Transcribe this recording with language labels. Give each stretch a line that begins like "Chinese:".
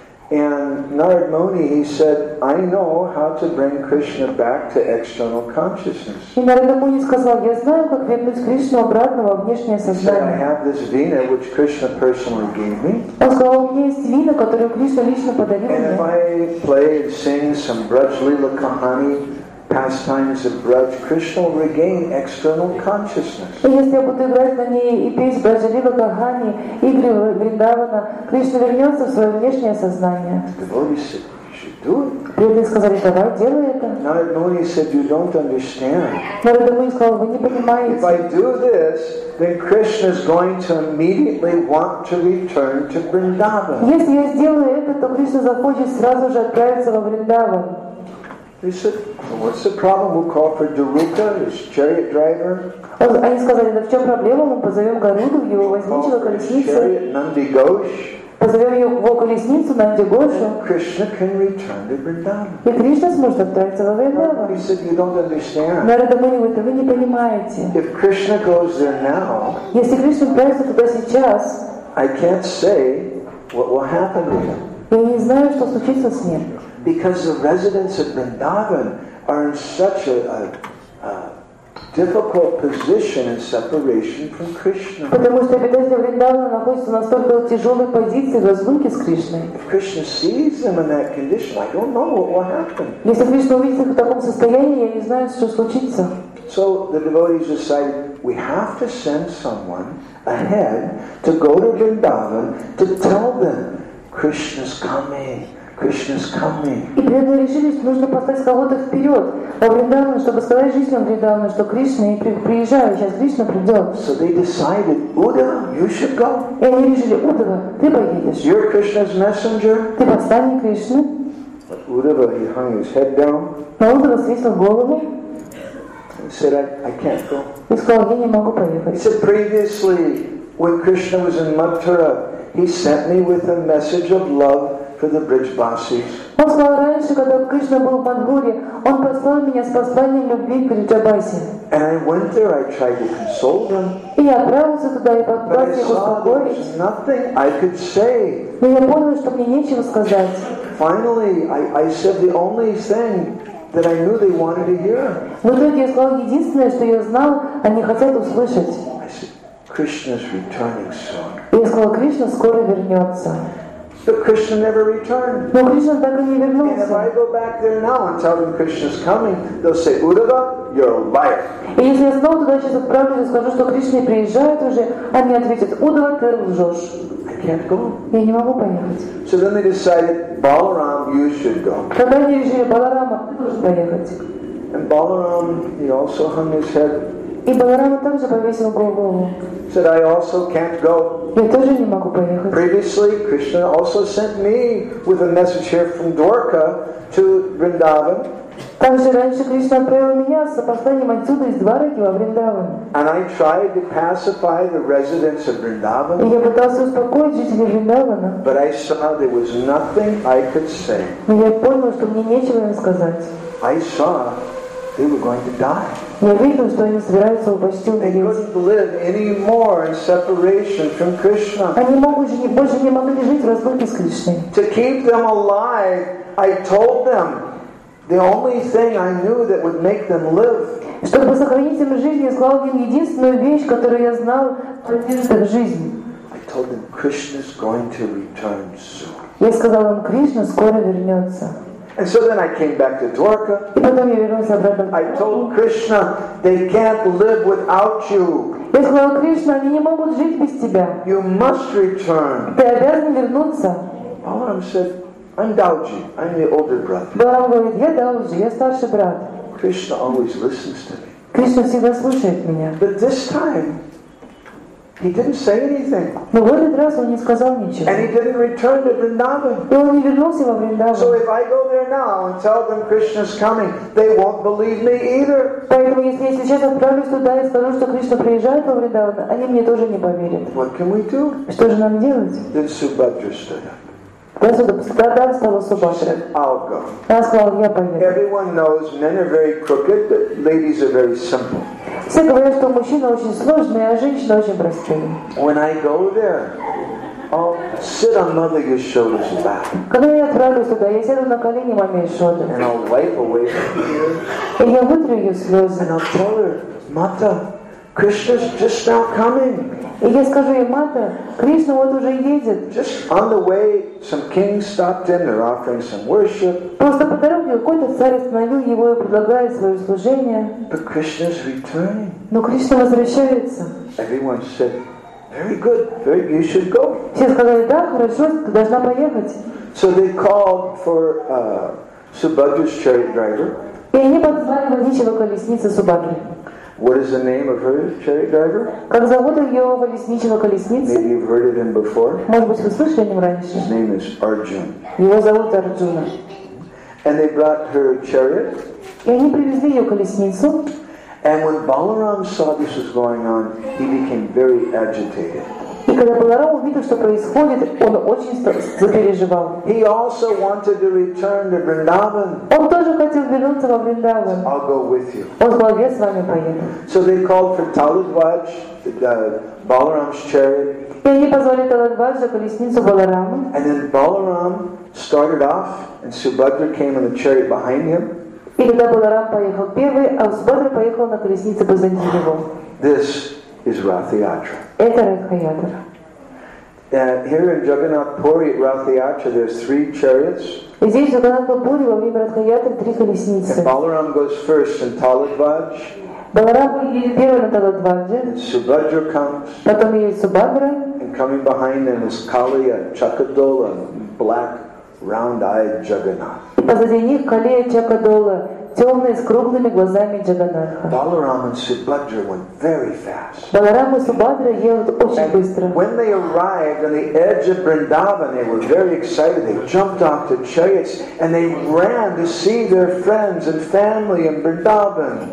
English: And Narad Muni, he said, I know how to bring Krishna back to external consciousness.
Russian: И Нарада Муни сказал, я знаю, как вернуть Кришну обратно во внешнее сознание.
English: So I have this vina which Krishna personally gave me.
Russian: Он сказал, у меня есть вина, которую Кришна лично подарил мне.
English: And if I play and sing some Braj Leela Kahani, pastimes of Braj, Krishna will regain external consciousness.
Russian: Преданные сказали, давай, делай это.
English: Narad Muni said, you don't understand.
Russian: Narad Muni сказал, вы не понимаете.
English: If I do this, then Krishna is going to immediately want to return to Vrindavan.
Russian: Если я сделаю это, то Кришна захочет сразу же отправиться во Вриндаван.
English: They said, well, what's the problem? We'll call for Garuda, his chariot driver.
Russian: Они сказали, да в чем проблема? Мы позовем Гаруду, его возничего колесницу.
English: Chariot Nandi Ghosh.
Russian: Позовем его колесницу Нанди Гошу.
English: Кришна can return to Vrindavan.
Russian: И Кришна сможет отправиться во Вриндаван.
English: He said, you don't understand.
Russian: Нарада Муни, вы не понимаете.
English: If Krishna goes there now,
Russian: если Кришна отправится туда сейчас,
English: I can't say what will happen to him.
Russian: Я не знаю, что случится с ним.
English: Because the residents of Vrindavan are in such a difficult position in separation from Krishna.
Russian: Потому что обитатели Вриндавана находятся в настолько тяжелой позиции в разлуке с Кришной.
English: If Krishna sees them in that condition, I don't know what will happen.
Russian: Если Кришна увидит их в таком состоянии, я не знаю, что случится.
English: So the devotees decide, we have to send someone ahead to go to Vrindavan to tell them, Krishna's coming. Krishna's coming.
Russian: И преданные решили, что нужно послать кого-то вперед во Вриндаван, чтобы сказать жителям Вриндавана, что Кришна и приезжает, сейчас Кришна придет.
English: So they decided, Udhava, you should go.
Russian: И они решили, Удава, ты поедешь.
English: You're Krishna's messenger.
Russian: Ты посланник Кришны.
English: But Udhava, he hung his head down.
Russian: Но Удава свесил голову.
English: And said, I can't go.
Russian: И сказал, я не могу поехать.
English: He said, previously, when Krishna was in Mathura, he sent me with a message of love for the Brijbasis.
Russian: Он сказал раньше, когда Кришна был в Мадхуре, он послал меня с посланием любви к Бриджабаси.
English: And I went there, I tried to console them.
Russian: И я отправился туда и попытался их успокоить.
English: But I saw there was nothing I could say.
Russian: Но я понял, что мне нечего сказать.
English: Finally, I said the only thing that I knew they wanted to hear.
Russian: В итоге я сказал единственное, что я знал, они хотят услышать.
English: I said, Krishna's returning soon.
Russian: И я сказал, Кришна скоро вернется.
English: But Krishna never returned.
Russian: Но Кришна так и не вернулся.
English: And if I go back there now and tell them Krishna's coming, they'll say, Udhava, you're a liar.
Russian: И если я снова туда сейчас отправлюсь и скажу, что Кришна приезжает уже, они ответят, Удава, ты лжешь.
English: I can't go.
Russian: Я не могу поехать.
English: So then they decided, Balaram, you should go.
Russian: Тогда они решили, Баларама, ты должен поехать.
English: And Balaram, he also hung his head.
Russian: И Баларама также повесил голову.
English: Said, I also can't go.
Russian: Я тоже не могу поехать.
English: Previously, Krishna also sent me with a message here from Dwarka to Vrindavan.
Russian: Также раньше Кришна отправил меня с опозданием отсюда из Двараки во Вриндаван. И я пытался успокоить жителей Вриндавана.
English: But I saw there was nothing I could say.
Russian: Но я понял, что мне нечего им сказать.
English: I saw they were going to die.
Russian: Я видел, что они собираются упасть умереть.
English: They couldn't live any more in separation from Krishna.
Russian: Они больше не могли жить в разлуке с Кришной.
English: To keep them alive, I told them. The only thing I knew that would make them live.
Russian: Чтобы сохранить им жизнь, я сказал им единственную вещь, которую я знал, продержит их жизнь.
English: I told them Krishna is going to return soon.
Russian: Я сказал им, Кришна скоро вернется.
English: And so then I came back to Dwarka.
Russian: И потом я вернулся обратно.
English: I told Krishna they can't live without you.
Russian: Я сказал Кришна, они не могут жить без тебя.
English: You must return.
Russian: Ты обязан вернуться.
English: Balaram said. I'm Dauji, I'm the older brother.
Russian: Balaram говорит, я Дауджи, я старший брат.
English: Krishna always listens to me.
Russian: Кришна всегда слушает меня.
English: But this time, he didn't say anything.
Russian: Но в этот раз он не сказал ничего.
English: And he didn't return to Vrindavan.
Russian: И он не вернулся во Вриндаван.
English: So if I go there now and tell them Krishna's coming, they won't believe me either.
Russian: Поэтому если я сейчас отправлюсь туда и скажу, что Кришна приезжает во Вриндаван, они мне тоже не поверят.
English: What can we do?
Russian: Что же нам делать?
English: Then Subhadra stood up.
Russian: Тогда встала Субхадра. Она сказала, я поеду.
English: Everyone knows men are very crooked, but ladies are very simple.
Russian: Все говорят, что мужчина очень сложный, а женщина очень простая.
English: When I go there, I'll sit on Mother Yashoda's lap.
Russian: Когда я отправлюсь туда, я сяду на колени маме Ешоды.
English: And I'll wipe away
Russian: И я вытру ее слезы.
English: And I'll tell her, Mata, Krishna's just now coming.
Russian: И я скажу ей, Мата, Кришна вот уже едет.
English: Just on the way, some kings stopped in, they're offering some worship.
Russian: Просто по дороге какой-то царь остановил его и предлагает свое служение.
English: But Krishna's returning.
Russian: Но Кришна возвращается.
English: Everyone said, very good, very, you should go.
Russian: Все сказали, да, хорошо, ты должна поехать.
English: So they called for Subhadra's chariot driver.
Russian: И они позвали водителя колесницы Субхадры.
English: What is the name of her chariot driver?
Russian: Как зовут ее колесничего колесницы?
English: Maybe you've heard of him before.
Russian: Может быть, вы слышали о нем раньше?
English: His name is Arjuna.
Russian: Его зовут Арджуна.
English: And they brought her chariot.
Russian: И они привезли ее колесницу.
English: And when Balaram saw this was going on, he became very agitated.
Russian: И когда Баларам увидел, что происходит, он очень запереживал.
English: He also wanted to return to Vrindavan.
Russian: Он тоже хотел вернуться во Вриндаван.
English: So I'll go with you.
Russian: Он сказал, я с вами поеду.
English: So they called for Taladvaj, Balaram's chariot.
Russian: И они позвали Таладвадж за колесницу Баларама.
English: And then Balaram started off, and Subhadra came on the chariot behind him.
Russian: И тогда Баларам поехал первый, а Субхадра поехал на колеснице позади него.
English: This is Rathayatra.
Russian: Это Ратха-ятра.
English: Here in Jagannath Puri at Rathayatra there's three chariots.
Russian: И здесь в Джаганнатхапури во время Ратха-ятры три колесницы.
English: And Balaram goes first in Taladvaj.
Russian: Баларам едет первым на Таладвадже.
English: Subhadra comes.
Russian: Потом едет Субхадра.
English: And coming behind them is Kaliya Chakadola, black, round-eyed Jagannath.
Russian: И позади них Kaliya Chakadola. Темные с круглыми глазами Джаганатха.
English: Balaram and Subhadra went very fast.
Russian: Balaram и Субхадра едут очень
English: and
Russian: быстро.
English: When they arrived on the edge of Vrindavan, they were very excited. They jumped off the chariots and they ran to see their friends and family in Vrindavan.